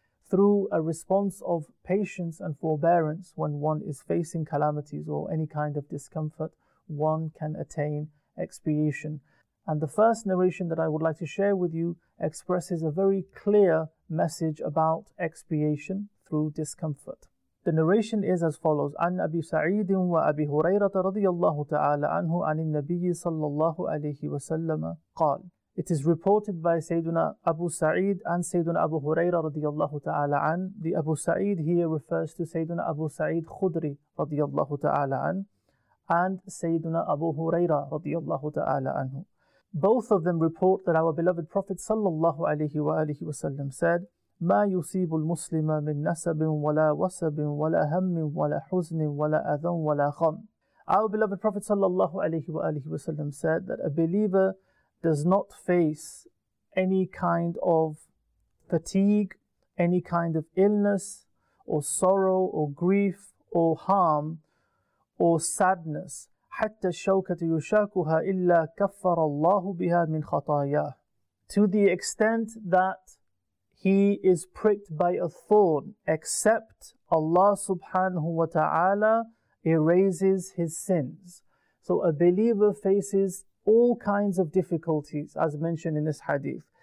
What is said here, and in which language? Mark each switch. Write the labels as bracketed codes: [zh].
[en] Through a response of patience and forbearance when one is facing calamities or any kind of discomfort, one can attain expiation. And the first narration that I would like to share with you expresses a very clear message about expiation through discomfort. The narration is as follows. [ar] عن أبي سعيد وأبي هريرة رضي الله تعالى عنه عن النبي صلى الله عليه وسلم قال. [en] It is reported by Sayyiduna Abu Sa'id and Sayyiduna Abu Huraira رضي الله تعالى عن. The Abu Sa'id here refers to Sayyiduna Abu Sa'id Khudri رضي الله تعالى عن and Sayyiduna Abu Huraira رضي الله تعالى عنه. [ar] Both of them report that our beloved Prophet صلى الله عليه وآله وسلم said, ما يصيب المسلم من نسب ولا وسب ولا هم ولا حزن ولا أذى ولا غم. [en] Our beloved Prophet sallallahu alaihi wa alihi wasallam said that a believer does not face any kind of fatigue, any kind of illness or sorrow or grief or harm or sadness. [ar] حتى الشوكة يشاكها إلا كفر الله بها من خطاياه. [en] To the extent that he is pricked by a thorn, except Allah subhanahu wa ta'ala erases his sins. So a believer faces all kinds of difficulties, as mentioned in this hadith.